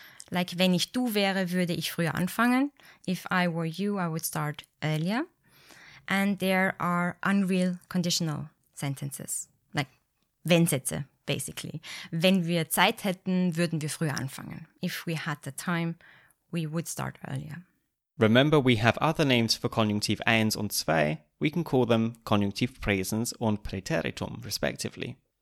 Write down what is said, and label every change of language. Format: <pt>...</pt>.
<en>Like</en> <de>wenn ich du wäre, würde ich früher anfangen.</de> <en>If I were you, I would start earlier. And there are unreal conditional sentences. Like Wenn-Sätze, basically.</en> <de>Wenn wir Zeit hätten, würden wir früher anfangen.</de> <en>If we had the time, we would start earlier. Remember, we have other names for</en> <de>konjunktiv eins und zwei.</de> <en>We can call them konjunktiv</en> <de>präsens und präteritum,</de> <en>respectively.</en>